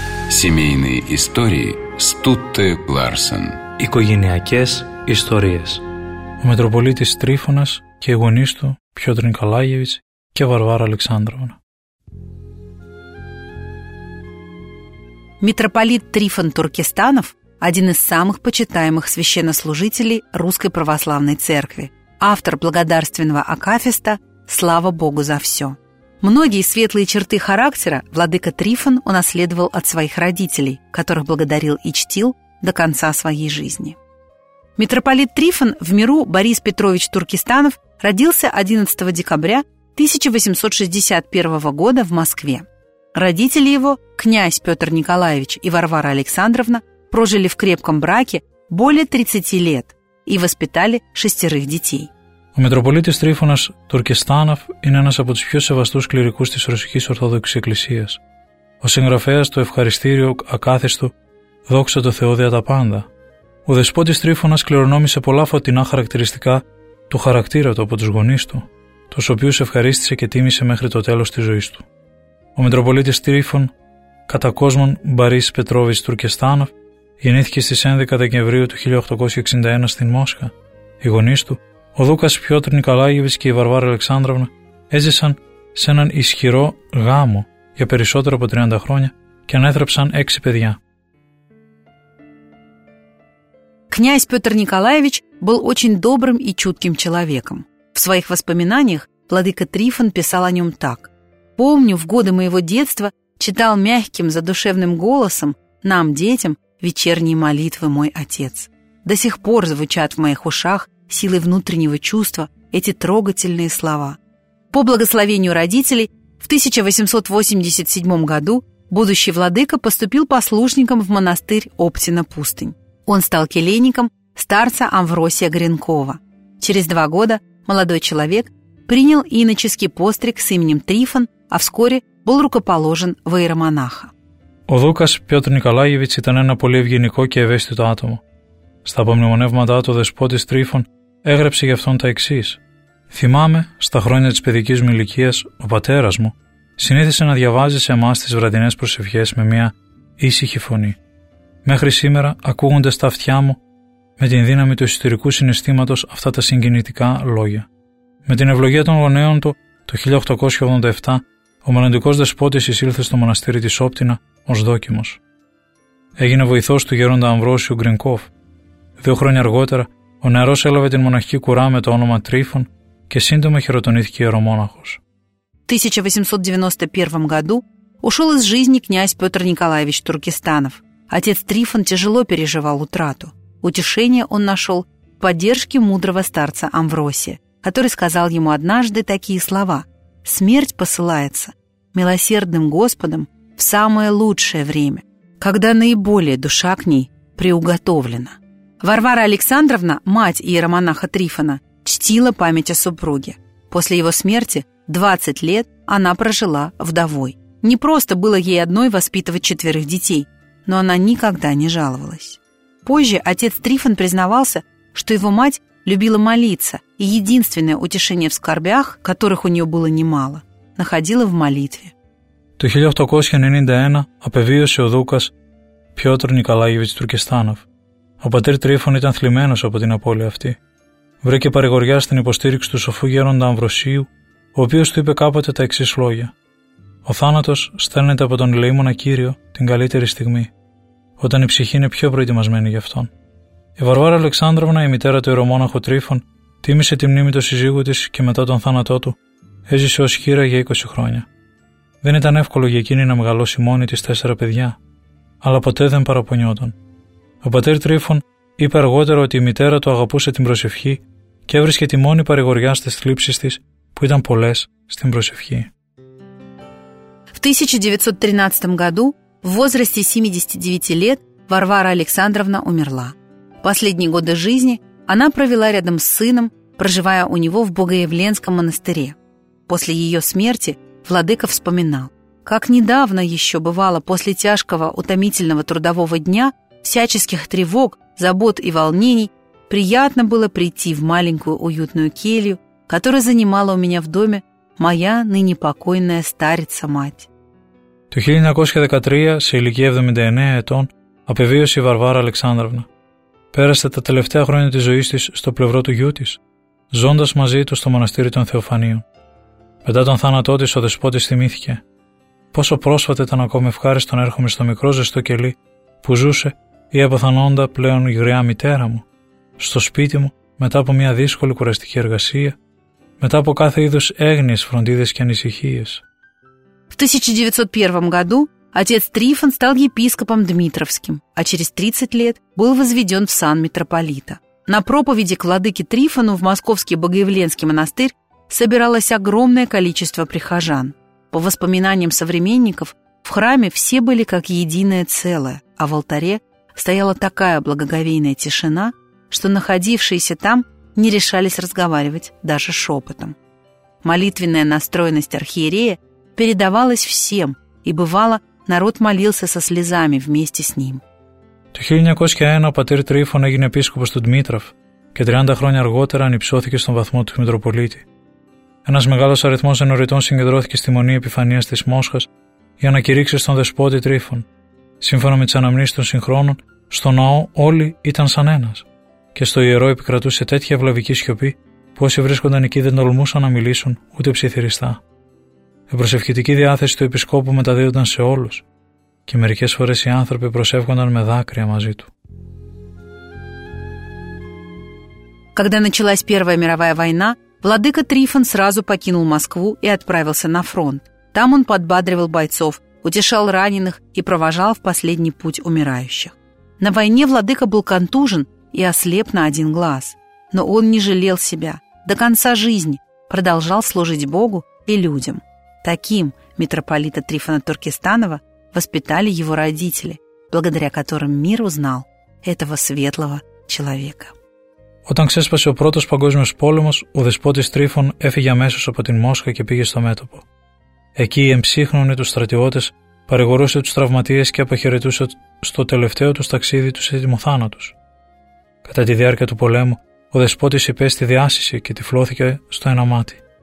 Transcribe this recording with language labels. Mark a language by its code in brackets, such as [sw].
[ru] Семейные истории Стутте Ларсен. [el] Οικογενειακές ιστορίες. Ο Μητροπολίτης Τρίφωνας και οι γονείς του Πιότρ Νικολάγεβιτς και Βαρβάρα Αλεξάνδροβνα. [ru] Митрополит Трифон Туркестанов – один из самых почитаемых священнослужителей Русской Православной Церкви, автор благодарственного акафиста «Слава Богу за все». Многие светлые черты характера владыка Трифон унаследовал от своих родителей, которых благодарил и чтил до конца своей жизни. Митрополит Трифон в миру Борис Петрович Туркестанов родился 11 декабря 1861 года в Москве. Родители его, князь Петр Николаевич и Варвара Александровна, прожили в крепком браке более 30 лет и воспитали 6 детей. [el] Ο Μητροπολίτης Τρίφωνας Τουρκιστάνοφ είναι ένας από τους πιο σεβαστούς κληρικούς της Ρωσικής Ορθόδοξης Εκκλησίας. Ο συγγραφέας του ευχαριστήριου ακάθιστου «Δόξα τω Θεώ δια τα πάντα». Ο δεσπότης Τρίφωνας κληρονόμησε πολλά φωτεινά χαρακτηριστικά του χαρακτήρα του από τους γονείς του, τους οποίους ευχαρίστησε και τίμησε μέχρι το τέλος της ζωής του. Ο Μητροπολίτης Τρίφων, κατά κόσμον Μπαρίς Πετρόβιτς Τουρκιστάνοφ, γεννήθηκε στις 11 Δεκεμβρίου του 1861 στην Μόσχα. Οι γονείς του, ο Δούκας Πιότρ Νικολάγεβιτς και η Βαρβάρα Αλεξάνδροβνα, έζησαν σε έναν ισχυρό γάμο για περισσότερο από 30 χρόνια και ανέθραψαν 6 παιδιά. [ru] Князь Петр Николаевич был очень добрым и чутким человеком. В своих воспоминаниях владыка Трифон писал о нем так: «Помню, в годы моего детства читал мягким, задушевным голосом нам, детям, вечерние молитвы мой отец. До сих пор звучат в моих ушах силой внутреннего чувства эти трогательные слова». По благословению родителей, в 1887 году будущий владыка поступил послушником в монастырь Оптина-Пустынь. Он стал келейником старца Амвросия Гринкова. Через 2 года молодой человек принял иноческий постриг с именем Трифон, а вскоре был рукоположен в иеромонаха. [el] Ο Δούκας Πιότρ Νικολάγεβιτς ήταν ένα πολύ ευγενικό και ευαίσθητο άτομο. Στα απομνημονεύματά του ο δεσπότης Τρίφων έγραψε γι' αυτόν τα εξής. «Θυμάμαι, στα χρόνια της παιδικής μου ηλικίας, ο πατέρας μου συνήθισε να διαβάζει σε εμάς τις βραδινές προσευχές με μια ήσυχη φωνή. Μέχρι σήμερα ακούγονται στα αυτιά μου με την δύναμη του ιστορικού συναισθήματος αυτά τα συγκινητικά λόγια. Με την ευλογία των γονέων του, το 1887, ο μελλοντικός δεσπότης εισήλθε στο μοναστήρι της Όπτινα ως δόκιμος. Έγινε βοηθός του γέροντα Αμβρόσιου Γκρινκόφ. 2 χρόνια αργότερα, ο νεαρός έλαβε την μοναχική κουρά με το όνομα Τρίφων και σύντομα χειροτονήθηκε ιερομόναχος. [ru] В 1891 году ушел из жизни князь Петр Николаевич Туркестанов. Отец Трифон тяжело переживал утрату. Утешение он нашел в поддержке мудрого старца Амвросия, который сказал ему однажды такие слова: «Смерть посылается милосердным Господом в самое лучшее время, когда наиболее душа к ней приуготовлена». Варвара Александровна, мать иеромонаха Трифона, чтила память о супруге. После его смерти 20 лет она прожила вдовой. Не просто было ей одной воспитывать 4 детей, но она никогда не жаловалась. Позже отец Трифон признавался, что его мать любила молиться, и единственное утешение в скорбях, которых у нее было немало, находила в молитве. [el] Το 1891 απεβίωσε ο Δούκας Πιότρ Νικολάγεβιτς Τουρκιστάνοφ. Ο πατήρ Τρίφων ήταν θλιμμένος από την απώλεια αυτή. Βρήκε παρηγοριά στην υποστήριξη του σοφού γέροντα Αμβροσίου, ο οποίος του είπε κάποτε τα εξής λόγια: «Ο θάνατος στέλνεται από τον ηλεήμονα Κύριο την καλύτερη στιγμή, όταν η ψυχή είναι πιο προετοιμασμένη γι' αυτόν». Η Βαρβάρα Αλεξάνδρωνα, η μητέρα του ιερομόναχου Τρίφων, τίμησε τη μνήμη του συζύγου της και μετά τον θάνατό του έζησε ως χείρα για 20 χρόνια. Δεν ήταν εύκολο για εκείνη να μεγαλώσει μόνη της 4 παιδιά, αλλά ποτέ δεν παραπονιόταν. Ο πατήρ Τρίφων είπε αργότερα ότι η μητέρα του αγαπούσε την προσευχή και έβρισκε τη μόνη παρηγοριά στις θλίψεις της, που ήταν πολλές, στην προσευχή. [ru] В 1913 году, в возрасте 79 лет, Варвара Александровна умерла. Последние годы жизни она провела рядом с сыном, проживая у него в Богоявленском монастыре. После ее смерти владыка вспоминал, как недавно еще бывало после тяжкого, утомительного трудового дня, всяческих тревог, забот и волнений, приятно было прийти в маленькую уютную келью, которую занимала у меня в доме моя ныне покойная старица-мать. [el] Το 1913, σε ηλικία 79 ετών, απεβίωσε η Βαρβάρα Αλεξάνδρωνα. Πέρασε τα τελευταία χρόνια της ζωής της στο πλευρό του γιού της, ζώντας μαζί του στο μοναστήρι των Θεοφανίων. Μετά τον θάνατό της, ο δεσπότης θυμήθηκε πόσο πρόσφατα ήταν ακόμη ευχάριστο να έρχομαι στο μικρό ζεστό κελί που ζούσε η αποθανόντα πλέον γριά μητέρα μου, στο σπίτι μου, μετά από μια δύσκολη κουραστική εργασία, μετά από κάθε είδους έγνοιες φροντίδες και ανησυχίες. [ru] В 1901 году отец Трифон стал епископом Дмитровским, а через 30 лет был возведен в сан митрополита. На проповеди к владыке Трифону в московский Богоявленский монастырь собиралось огромное количество прихожан. По воспоминаниям современников, в храме все были как единое целое, а в алтаре стояла такая благоговейная тишина, что находившиеся там не решались разговаривать даже шепотом. Молитвенная настроенность архиерея передавалась всем, и бывало, народ молился со слезами вместе с ним. [el] Το 1901 ο πατήρ Τρίφων έγινε επίσκοπος του Δμήτροφ και 30 χρόνια αργότερα ανυψώθηκε στον βαθμό του Μητροπολίτη. Ένας μεγάλος αριθμός ενωρητών συγκεντρώθηκε στη Μονή Επιφανίας της Μόσχας για να κηρύξει στον δεσπότη Τρίφων. Σύμφωνα με τις αναμνήσεις των συγχρόνων, στο ναό όλοι ήταν σαν ένας και στο ιερό επικρατούσε τέτοια ευλαβική σιωπή που όσοι βρίσκονταν εκεί δεν τολμούσαν να μιλήσουν ούτε ψιθυριστά. Η προσευχητική διάθεση του επισκόπου μεταδίδονταν σε όλους και μερικές φορές οι άνθρωποι προσεύχονταν με δάκρυα μαζί του. [ru] Когда началась Первая мировая война, владыка Трифон сразу покинул Москву и отправился на фронт. Там он подбадривал бойцов, утешал раненых и провожал в последний путь умирающих. На войне владыка был контужен и ослеп на один глаз. Но он не жалел себя. До конца жизни продолжал служить Богу и людям. Таким митрополита Трифона Туркестанова воспитали его родители, благодаря которым мир узнал этого светлого человека. [el] Όταν ξέσπασε ο πρώτος παγκόσμιος πόλεμος, ο δεσπότης Τρίφων έφυγε αμέσως από την Μόσχα και πήγε στο μέτωπο. Εκεί εμψύχνωνε τους στρατιώτες, παρηγορούσε τους τραυματίες και αποχαιρετούσε στο τελευταίο τους ταξίδι τους έτοιμο θάνατος. Κατά τη διάρκεια του πολέμου, ο δεσπότης υπέστη διάσηση και τυφλώθηκε στο ένα μάτι.